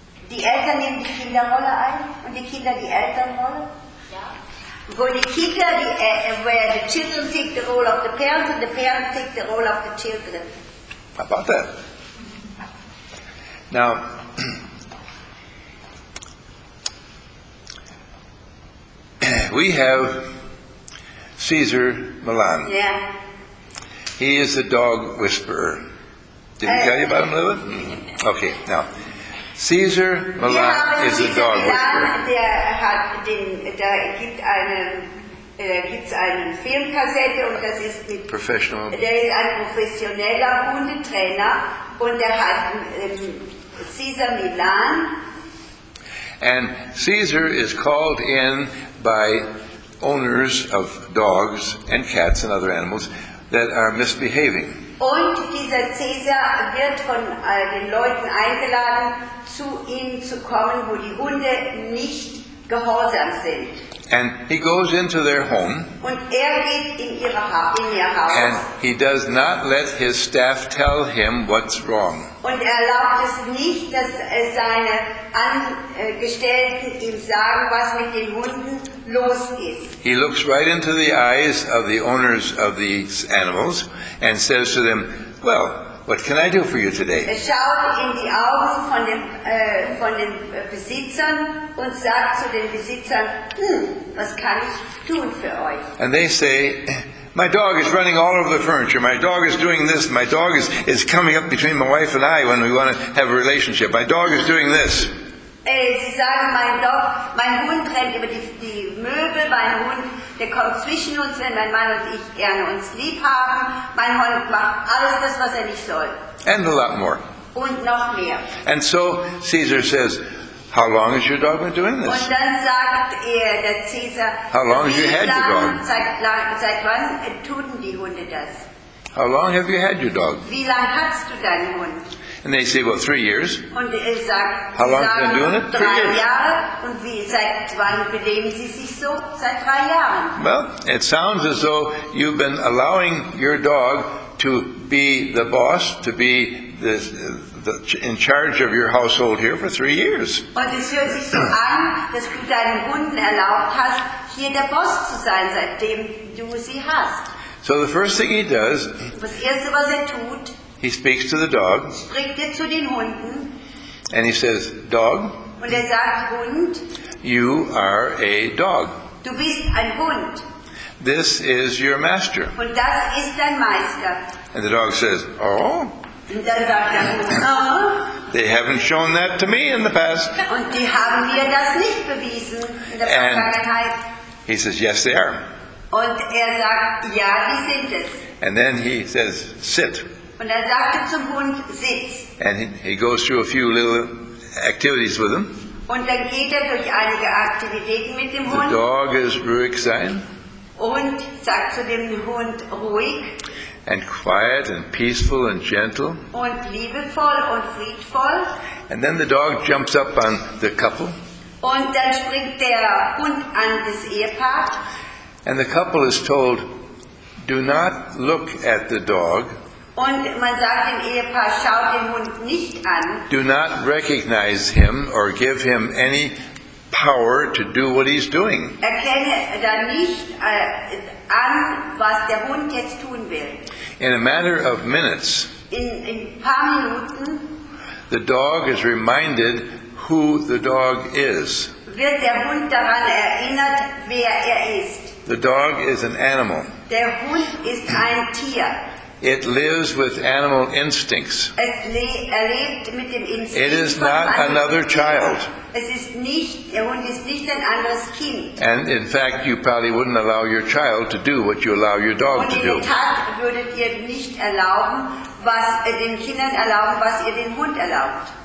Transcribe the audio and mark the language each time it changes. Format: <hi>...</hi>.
<de>Die Eltern nehmen die Kinderrolle ein und die Kinder die Elternrolle? Ja. Wo die Kinder,</de> <en>where the children take the role of the parents and the parents take the role of the children. How about that? Now, we have Caesar Milan. Yeah. He is the dog whisperer. Did he tell you about him, Lilith? Mm-hmm. Okay, now, Caesar Milan is the dog whisperer.</en> <de>Der hat den, da gibt einen, gibt's einen Filmkassette und das ist mit,</de> <en>professional.</en> <de>Der ist ein professioneller Hundetrainer und der hat Caesar Milan.</de> <en>And Caesar is called in by owners of dogs and cats and other animals that are misbehaving.</en> <de>Und dieser Caesar wird von den Leuten eingeladen, zu ihm zu kommen, wo die Hunde nicht gehorsam sind.</de> <en>And he goes into their home.</en> <de>Und geht in ihr Haus.</de> <en>And he does not let his staff tell him what's wrong.</en> <de>Und erlaubt es nicht, dass seine Angestellten ihm sagen, was mit den Hunden los ist.</de> <en>He looks right into the eyes of the owners of these animals and says to them, "Well, what can I do for you today?"</en> <de>Er schaut in die Augen von den Besitzern und sagt zu den Besitzern, was kann ich tun für euch?</de> <en>And they say, "My dog is running all over the furniture. My dog is doing this. My dog is coming up between my wife and I when we want to have a relationship. My dog is doing this."</en> <de>Sie sagen, mein Hund rennt über die Möbel. Mein Hund, der kommt zwischen uns, wenn mein Mann und ich gerne uns lieb haben. Mein Hund macht alles das, was nicht soll.</de> <en>And a lot more.</en> <de>Und noch mehr.</de> <en>And so Caesar says, "How long has your dog been doing this?"</en> <de>Und dann sagt der Caesar,</de> <en>"How long have you had your dog?</en> <de>Seit wann tun die Hunde das?"</de> <en>"How long have you had your dog?"</en> <de>Wie lang hast du deinen Hund?</de> <en>And they say, "Well, 3 years."</en> <de>Und er sagt,</de> <en>"How long have you been doing it?" 3 years.</en> <de>Jahre. Und wie, seit wann benehmen sie sich so? Seit 3 Jahren.</de> <en>Well, it sounds as though you've been allowing your dog to be the boss, to be the in charge of your household here for 3 years.</en> <de>Und es hört sich so an, dass du deinen Hunden erlaubt hast, hier der Boss zu sein, seitdem du sie hast.</de> <en>So the first thing he does,</en> <de>das Erste, was tut,</de> <en>he speaks to the dog,</en> <de>spricht zu den Hunden,</de> <en>and he says, "Dog,</en> <de>und sagt, Hund,</de> <en>you are a dog.</en> <de>Du bist ein Hund.</de> <en>This is your master."</en> <de>Und das ist dein Meister.</de> <en>And the dog says, "Oh."</en> <de>Und dann sagt der Hund, "Oh."</de> <en>"They haven't shown that to me in the past."</en> <de>Und die haben mir das nicht bewiesen in der Vergangenheit.</de> <en>He says, "Yes, they are."</en> <de>Und sagt, ja, die sind es.</de> <en>And then he says, "Sit."</en> <de>Und sagt er zum Hund, sitz.</de> <en>And he goes through a few little activities with him.</en> <de>Und dann geht durch einige Aktivitäten mit dem</de> <en>the</en> <de>Hund.</de> <en>The dog is</en> <de>ruhig sein. Und sagt zu dem Hund, ruhig.</de> <en>And quiet and peaceful and gentle.</en> <de>Und liebevoll und friedvoll.</de> <en>And then the dog jumps up on the couple.</en> <de>Und dann springt der Hund an das Ehepaar.</de> <en>And the couple is told, "Do not look at the dog."</en> <de>Und man sagt dem Ehepaar, schaut den Hund nicht an.</de> <en>"Do not recognize him or give him any power to do what he's doing."</en> <de>Erkenne da nicht an, was der Hund jetzt tun will.</de> <en>In a matter of minutes,</en> <de>in paar Minuten,</de> <en>the dog is reminded who the dog is.</en> <de>Wird der Hund daran erinnert, wer ist.</de> <en>The dog is an animal.</en> <de>Der Hund ist ein Tier.</de> <en>It lives with animal instincts.</en> <de>Es erlebt mit dem Instinkt.</de> <en>It is not another child.</en> <de>Es ist nicht, der Hund ist nicht ein anderes Kind.</de> <en>And in fact, you probably wouldn't allow your child to do what you allow your dog to do.</en> <de>Und in der Tat würdet ihr nicht erlauben, was den Kindern erlauben, was ihr den Hund erlaubt.</de>